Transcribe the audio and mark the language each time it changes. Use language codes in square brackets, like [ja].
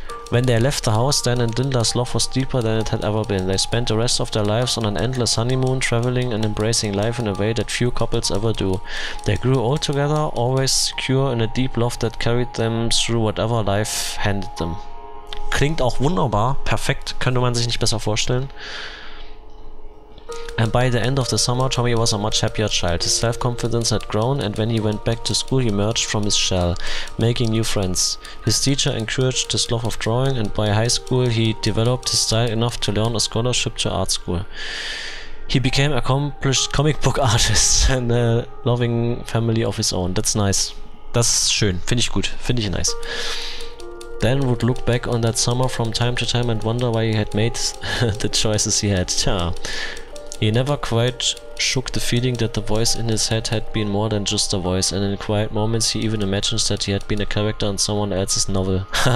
[en] When they left the house, Dan and Linda's love was deeper than it had ever been. They spent the rest of their lives on an endless honeymoon, traveling and embracing life in a way that few couples ever do. They grew old together, always secure in a deep love that carried them through whatever life handed them. [de] Klingt auch wunderbar, perfekt, könnte man sich nicht besser vorstellen. [en] And by the end of the summer, Tommy was a much happier child. His self-confidence had grown, and when he went back to school, he emerged from his shell, making new friends. His teacher encouraged his love of drawing, and by high school, he developed his style enough to learn a scholarship to art school. He became an accomplished comic book artist and a loving family of his own. That's nice. [de] Das ist schön, finde ich gut, finde ich nice. [en] Dan would look back on that summer from time to time and wonder why he had made the choices he had. Tja. He never quite shook the feeling that the voice in his head had been more than just a voice, and in quiet moments he even imagines that he had been a character in someone else's novel.